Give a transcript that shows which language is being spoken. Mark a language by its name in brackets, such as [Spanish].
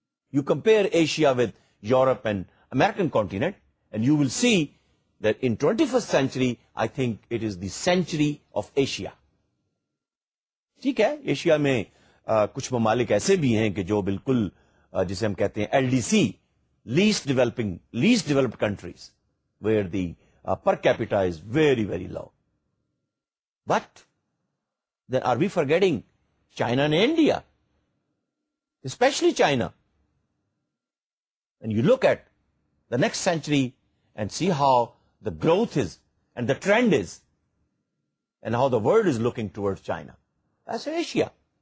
[English] You compare Asia with Europe and American continent and you will see that in 21st century, I think it is the century of Asia. [Urdu] ٹھیک ہے, Asia میں کچھ ممالک ایسے بھی ہیں کہ جو بالکل جسے ہم کہتے ہیں LDC, [English] least developed countries, where the per capita is very, very low. But then are we forgetting China and India, especially China? And you look at the next century and see how the growth is and the trend is and how the world is looking towards China. That's Asia.